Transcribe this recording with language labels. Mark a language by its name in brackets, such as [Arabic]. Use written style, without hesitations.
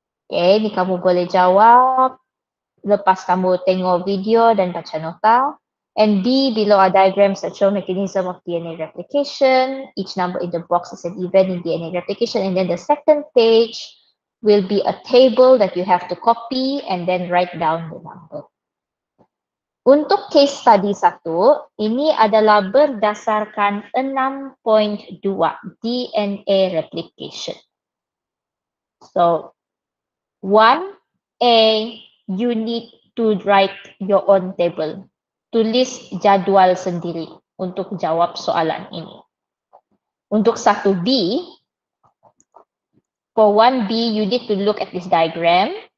[Malay] Okay, ni kamu boleh jawab. Lepas kamu tengok video dan baca nota. [English] And B, below are diagrams that show mechanism of DNA replication. Each number in the box is an event in DNA replication. And then the second page will be a table that you have to copy and then write down the number. [Malay] Untuk case study 1, ini adalah berdasarkan 6.2 DNA replication. [English] So, 1A, you need to write your own table. [Malay] Tulis jadual sendiri untuk jawab soalan ini. Untuk 1B, [English] for 1B, you need to look at this diagram.